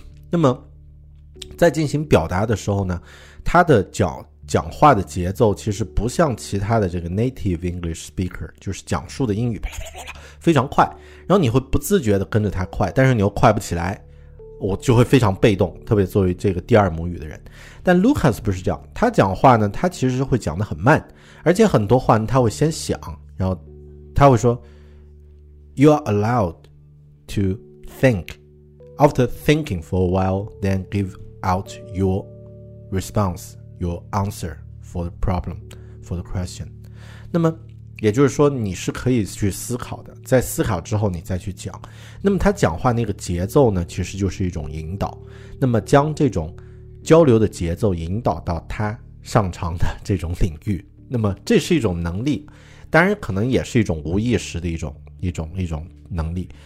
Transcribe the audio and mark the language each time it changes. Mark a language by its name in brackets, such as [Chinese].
[Chinese] 那么在进行表达的时候呢，他的讲话的节奏其实不像其他的这个 native English speaker， 就是讲述的英语啪啪啪啪非常快，然后你会不自觉的跟着他快，但是你又快不起来，我就会非常被动，特别作为这个第二母语的人。但 Lucas 不是这样，他讲话呢他其实会讲得很慢，而且很多话呢他会先想，然后他会说 [English] You are allowed to think after thinking for a while then give out your response your answer for the problem for the question。 [Chinese] 那么也就是说你是可以去思考的，在思考之后你再去讲。那么他讲话那个节奏呢其实就是一种引导，那么将这种交流的节奏引导到他擅长的这种领域，那么这是一种能力，当然可能也是一种无意识的一种能力。